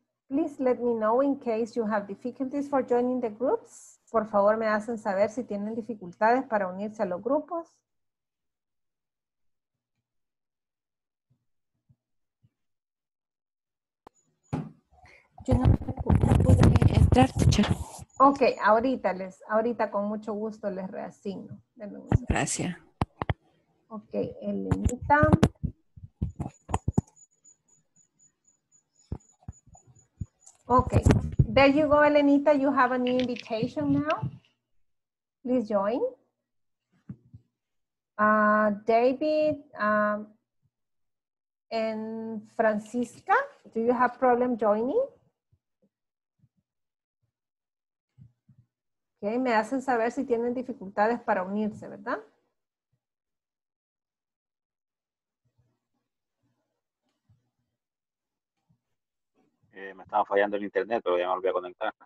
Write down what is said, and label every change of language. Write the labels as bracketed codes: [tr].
[en] Please let me know in case you have difficulties for joining the groups. [es] Por favor, me hacen saber si tienen dificultades para unirse a los grupos. Yo no pude entrar, teacher. Ok, ahorita con mucho gusto les reasigno. Gracias. Ok, Elenita. [en] Ok. There you go, Elenita. You have a new invitation now. Please join. David and Francisca, do you have problem joining? Ok, [es] Okay, me hacen saber si tienen dificultades para unirse, ¿verdad? Me estaba fallando el internet, pero ya me volví a conectar.